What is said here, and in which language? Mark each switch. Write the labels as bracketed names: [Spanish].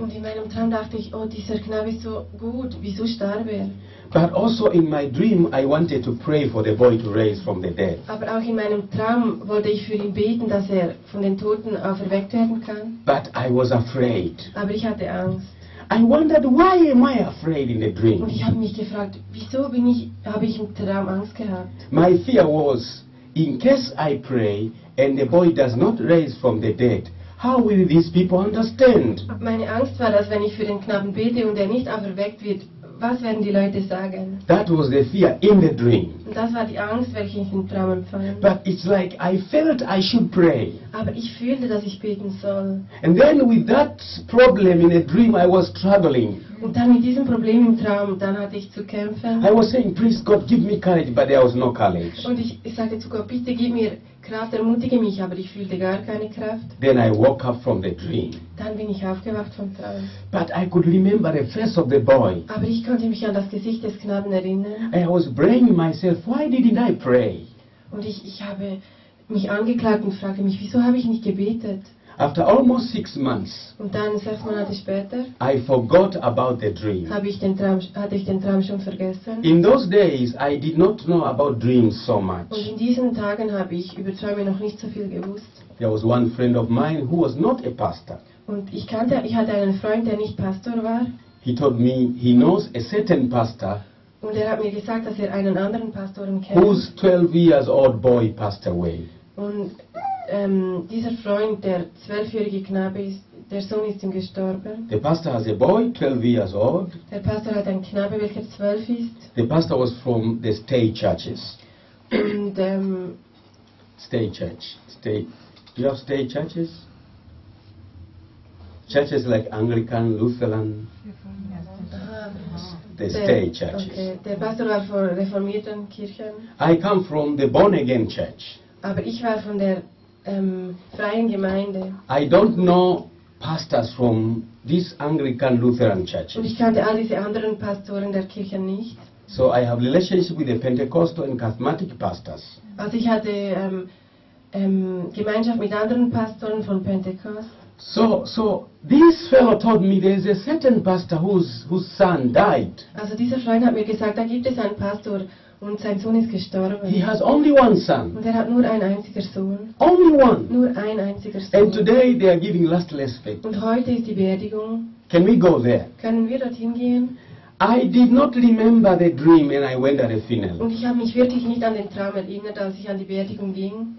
[German] Und in meinem Traum dachte ich, oh, dieser Knabe ist so gut, wieso starb er? [English] But also in my dream I wanted to pray for the boy to raise from the dead. [German] Aber auch in meinem Traum wollte ich für ihn beten, dass er von den Toten auferweckt werden kann. [English] But I was afraid. [German] Aber ich hatte Angst. [English] I wondered, why am I afraid in the dream? [German] Und ich habe mich gefragt, wieso habe ich im Traum Angst gehabt? [English] My fear was, in case I pray and the boy does not raise from the dead, how will these people understand? [German] Meine Angst war, dass wenn ich für den Knaben bete und er nicht auferweckt wird, was werden die Leute sagen? [English] That was the fear in the dream. [German] Und das war die Angst, welche ich im Traum empfand. [English] But it's like I felt I should pray. [German] Aber ich fühlte, dass ich beten soll. [English] And then with that problem in a dream I was struggling. [German] Und dann mit diesem Problem im Traum, dann hatte ich zu kämpfen. [English] I was saying, please God, give me courage, but there was no courage. [German] Und ich sagte zu Gott, bitte gib mir Kraft, ermutige mich, aber ich fühlte gar keine Kraft. [English] Then I woke up from the dream. [German] Dann bin ich aufgewacht vom Traum. [English] But I could remember the face of the boy. [German] Aber ich konnte mich an das Gesicht des Knaben erinnern. [English] I was blaming myself, why didn't I pray? [German] Und ich habe mich angeklagt und fragte mich, wieso habe ich nicht gebetet? [English] After almost 6 months, [German] und dann 6 Monate später, [English] I forgot about the dream. [German] Hatte ich den Traum schon vergessen? [English] In those days, I did not know about dreams so much. [German] Und in diesen Tagen habe ich über Träume noch nicht so viel gewusst. [English] There was one friend of mine who was not a pastor. [German] Und ich hatte einen Freund, der nicht Pastor war. [English] He told me he knows a certain pastor. [German] Und er hat mir gesagt, dass er einen anderen Pastor kennt. [English] Whose 12 years old boy passed away. [German] Und dieser Freund, der 12-jährige Knabe ist, der Sohn ist ihm gestorben. [English] The pastor has a boy, 12 years old. [German] Der Pastor hat einen Knabe, welcher 12 ist. [English] The pastor was from the state churches. [German] Und [English] state church. State. Do you have state churches? Churches like Anglican, Lutheran. The state churches. [German] Okay. Der Pastor war von reformierten Kirchen. [English] I come from the born again church. [German] Aber ich war von der freien Gemeinde. [English] I don't know pastors from these Anglican Lutheran churches. [German] Und ich kannte all diese anderen Pastoren der Kirchen nicht. [English] So I have relationship with the Pentecostal and Charismatic pastors. [German] Also ich hatte Gemeinschaft mit anderen Pastoren von Pentecost. [English] So this fellow told me there is a certain pastor whose son died. [German] Also dieser Freund hat mir gesagt, da gibt es einen Pastor. Und sein Sohn ist gestorben. [English] He has only one son. [German] Und er hat nur einen einzigen Sohn. [English] Only one. [German] Nur ein einziger Sohn. [English] And today they are giving last respect. [German] Und heute ist die Beerdigung. [English] Can we go there? [German] Können wir dorthin gehen? [English] I did not remember the dream and I went at the funeral. [German] Und ich habe mich wirklich nicht an den Traum erinnert, als ich an die Beerdigung ging.